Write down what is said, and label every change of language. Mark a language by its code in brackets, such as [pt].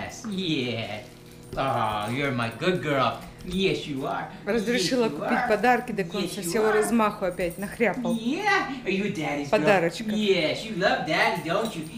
[en] Come here, Саш. Yes, you do. Yes, yes. Oh, you're my good girl. Yes, you are. [ru] Разрешила купить подарки, так он со всего размаху опять нахряпал. [en] Yeah, are you daddy's girl? [ru] Подарочек. [en] Yes, you love daddy, don't you?